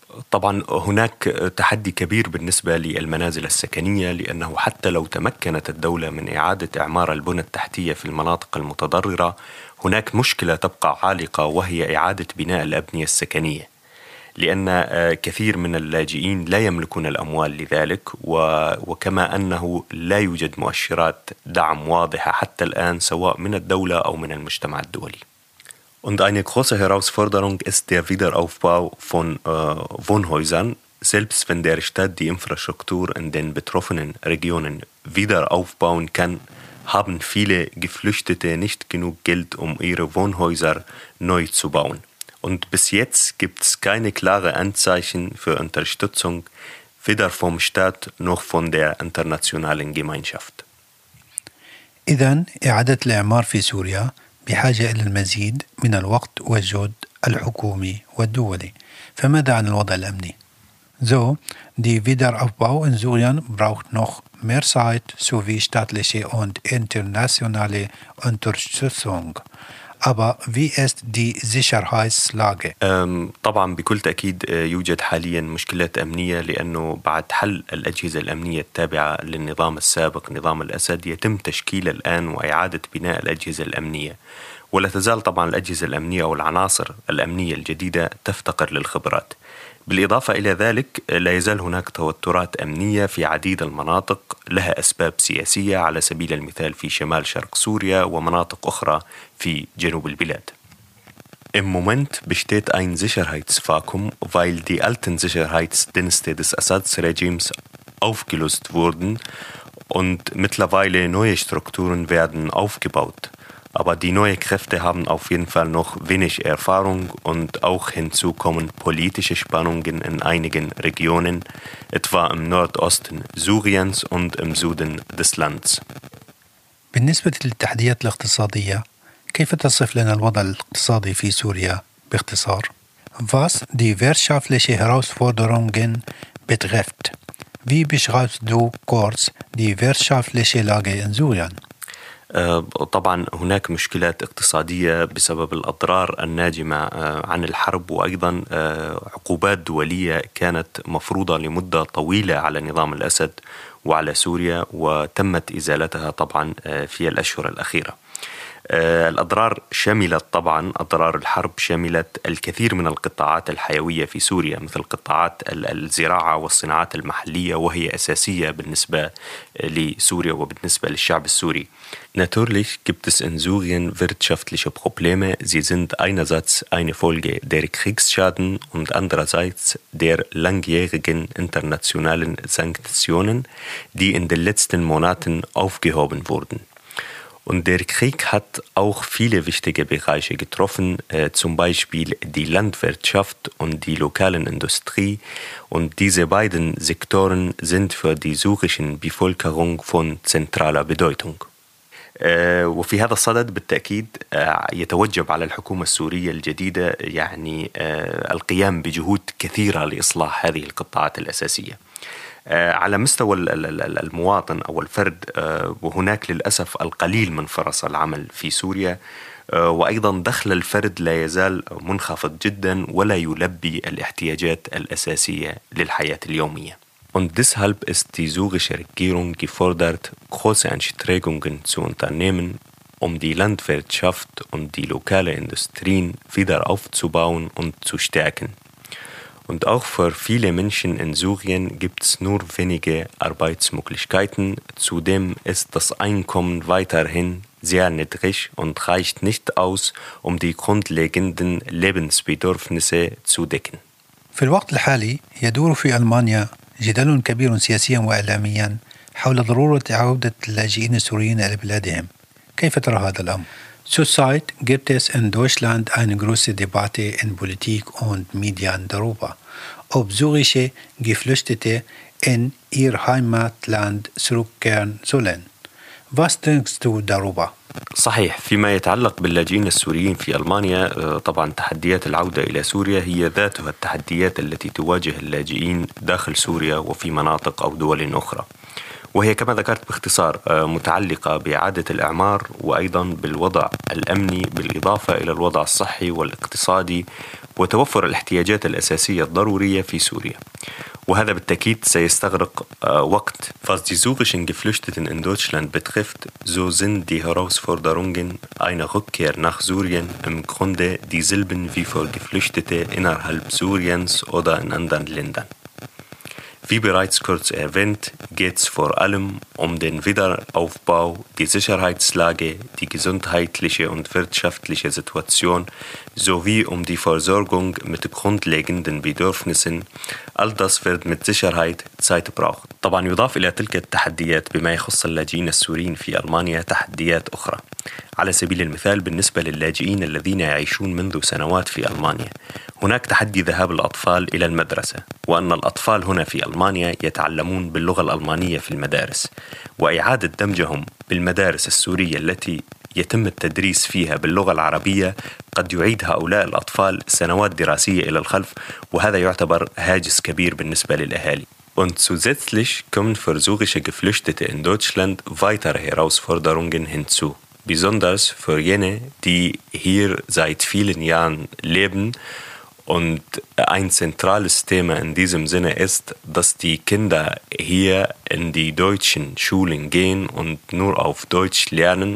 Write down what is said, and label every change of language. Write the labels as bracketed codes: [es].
[ar] طبعا هناك تحدي كبير بالنسبة للمنازل السكنية لأنه حتى لو تمكنت الدولة من إعادة إعمار البنى التحتية في المناطق المتضررة هناك مشكلة تبقى عالقة وهي إعادة بناء الأبنية السكنية لأن كثير من اللاجئين لا يملكون الأموال لذلك وكما أنه لا يوجد مؤشرات دعم واضحة حتى الآن سواء من الدولة أو من المجتمع الدولي. [de] Und eine große Herausforderung ist der Wiederaufbau von Wohnhäusern. Selbst wenn der Staat die Infrastruktur in den betroffenen Regionen wieder aufbauen kann, haben viele Geflüchtete nicht genug Geld, um ihre Wohnhäuser neu zu bauen. Und bis jetzt gibt es keine klaren Anzeichen für Unterstützung, weder vom Staat noch von der internationalen Gemeinschaft. [ar] إذن إعادة الإعمار في سوريا بحاجة إلى المزيد من الوقت والجهد الحكومي والدولي. فماذا عن الوضع الأمني؟ [de] So, die Wiederaufbau in Syrien braucht noch mehr Zeit sowie staatliche und internationale Unterstützung. Aber wie ist die Sicherheitslage? [ar] طبعا بكل تأكيد يوجد حاليا مشكلة أمنية لأنه بعد حل الأجهزة الأمنية التابعة للنظام السابق نظام الأسد يتم تشكيل الآن وإعادة بناء الأجهزة الأمنية ولا تزال طبعا الأجهزة الأمنية والعناصر الأمنية الجديدة تفتقر للخبرات. بالإضافة إلى ذلك لا يزال هناك توترات أمنية في عديد المناطق لها أسباب سياسية على سبيل المثال في شمال شرق سوريا ومناطق أخرى في جنوب البلاد. [de] Im Moment besteht ein Sicherheitsvakuum, weil die alten Sicherheitsdienste des Assad-Regimes aufgelöst wurden und mittlerweile neue Strukturen werden aufgebaut. Aber die neuen Kräfte haben auf jeden Fall noch wenig Erfahrung und auch hinzu kommen politische Spannungen in einigen Regionen, etwa im Nordosten Syriens und im Süden des Landes. [ar] بالنسبة للتحديات الاقتصادية، كيف تصف لنا الوضع الاقتصادي في سوريا باختصار؟ [de] Was die wirtschaftliche Herausforderungen betrifft, wie beschreibst du kurz die wirtschaftliche Lage in Syrien? [ar] طبعا هناك مشكلات اقتصادية بسبب الأضرار الناجمة عن الحرب وأيضا عقوبات دولية كانت مفروضة لمدة طويلة على نظام الأسد وعلى سوريا وتمت إزالتها طبعا في الأشهر الأخيرة. الأضرار شملت طبعا أضرار الحرب شملت الكثير من القطاعات الحيوية في سوريا مثل قطاعات الزراعة والصناعات المحلية وهي أساسية بالنسبة لسوريا وبالنسبة للشعب السوري. [de] Natürlich gibt es in Syrien wirtschaftliche Probleme. Sie sind einerseits eine Folge der Kriegsschäden und andererseits der langjährigen internationalen Sanktionen, die in den letzten Monaten aufgehoben wurden. Und der Krieg hat auch viele wichtige Bereiche getroffen, zum Beispiel die Landwirtschaft und die lokalen Industrie. Und diese beiden Sektoren sind für die syrische Bevölkerung von zentraler Bedeutung. [ar] وفي هذا الصدد بالتأكيد يتوجب على الحكومة السورية الجديدة يعني القيام بجهود كثيرة لإصلاح هذه القطاعات الأساسية على مستوى المواطن أو الفرد. وهناك للأسف القليل من فرص العمل في سوريا، وأيضا دخل الفرد لا يزال منخفض جدا ولا يلبي الاحتياجات الأساسية للحياة اليومية. [de] Und deshalb ist die syrische Regierung gefordert, große Anstrengungen zu unternehmen, um die Landwirtschaft und die lokale Industrien wieder aufzubauen und zu stärken. Und auch für viele Menschen in Syrien gibt es nur wenige Arbeitsmöglichkeiten. Zudem ist das Einkommen weiterhin sehr niedrig und reicht nicht aus, um die grundlegenden Lebensbedürfnisse zu decken. Für den [ar] جدال كبير سياسيا وإعلاميا حول ضرورة عودة اللاجئين السوريين إلى بلادهم. كيف ترى هذا الأمر؟ [de] Zurzeit gibt es in Deutschland eine große Debatte in Politik und Medien darüber, ob syrische Geflüchtete in ihr Heimatland zurückkehren sollen. Was denkst du darüber? [ar] صحيح، فيما يتعلق باللاجئين السوريين في ألمانيا، طبعا تحديات العودة إلى سوريا هي ذاتها التحديات التي تواجه اللاجئين داخل سوريا وفي مناطق أو دول أخرى، وهي كما ذكرت باختصار متعلقة بإعادة الإعمار وأيضا بالوضع الأمني، بالإضافة إلى الوضع الصحي والاقتصادي وتوفر الاحتياجات الأساسية الضرورية في سوريا. وهذا بالتأكيد سيستغرق وقت. [de] Was die syrischen Geflüchteten in Deutschland betrifft, so sind die Herausforderungen einer Rückkehr nach Syrien im Grunde dieselben wie für Geflüchtete innerhalb Syriens oder in anderen Ländern. Wie bereits kurz erwähnt, geht es vor allem um den Wiederaufbau, die Sicherheitslage, die gesundheitliche und wirtschaftliche Situation sowie um die Versorgung mit grundlegenden Bedürfnissen. All das wird mit Sicherheit Zeit brauchen. [ar] طبعا يضاف إلى تلك التحديات بما يخص اللاجئين السوريين في ألمانيا تحديات أخرى. على سبيل المثال بالنسبة للاجئين الذين يعيشون منذ سنوات في ألمانيا، هناك تحدي ذهاب الأطفال إلى المدرسة، وأن الأطفال هنا في ألمانيا يتعلمون باللغة الألمانية في المدارس، وإعادة دمجهم بالمدارس السورية التي يتم التدريس فيها باللغة العربية قد يعيد هؤلاء الأطفال سنوات دراسية إلى الخلف، وهذا يعتبر هاجس كبير بالنسبة للأهالي. [de] Und zusätzlich kommen für syrische Geflüchtete in Deutschland weitere Herausforderungen hinzu, besonders für jene, die hier seit vielen Jahren leben. Und ein zentrales Thema in diesem Sinne ist, dass die Kinder hier in die deutschen Schulen gehen und nur auf Deutsch lernen.